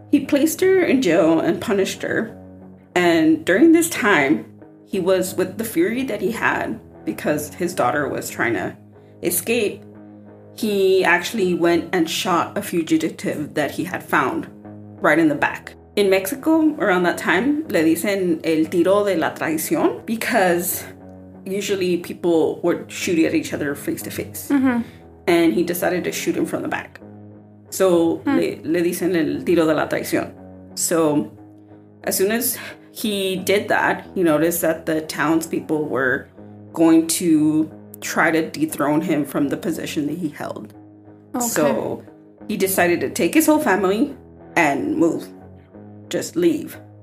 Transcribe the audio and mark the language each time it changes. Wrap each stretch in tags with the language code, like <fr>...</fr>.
<en>He placed her in jail and punished her. And during this time, he was, with the fury that he had because his daughter was trying to escape, he actually went and shot a fugitive that he had found right in the back. In Mexico, around that time,</en> <es>le dicen el tiro de la traición,</es> <en>because usually people were shooting at each other face to face. And he decided to shoot him from the back.</en> <es>So, le dicen el tiro de la traición.</es> <en>So, as soon as he did that, he noticed that the townspeople were going to try to dethrone him from the position that he held. Okay. So, he decided to take his whole family and move. Just leave.</en>